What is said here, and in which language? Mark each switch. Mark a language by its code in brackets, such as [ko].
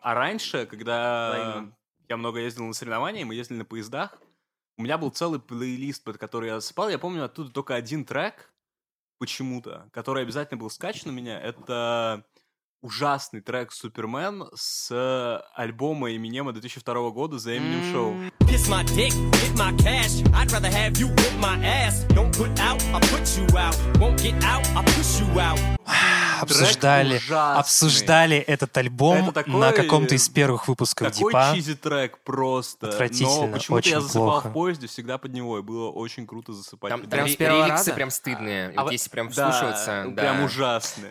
[ru] А раньше, когда я много ездил на соревнования, мы ездили на поездах, у меня был целый плейлист, под который я засыпал. Я помню оттуда только один трек почему-то, который обязательно был скачан у меня. Это... ужасный трек «Супермен» с альбома Eminem'а 2002 года за Eminem Show. [en] Piss my dick, get my cash. I'd rather have you whip my ass. Don't put out, I'll put you out. Won't get out, I'll push you out. [ru] Обсуждали, обсуждали этот альбом это такой, на каком-то из первых выпусков Дипа. Такой чизи трек просто. Отвратительно, но почему-то очень я засыпал плохо. В поезде всегда под него, и было очень круто засыпать. Там прям ремиксы прям стыдные, вот если прям вслушиваться. Да, прям ужасные.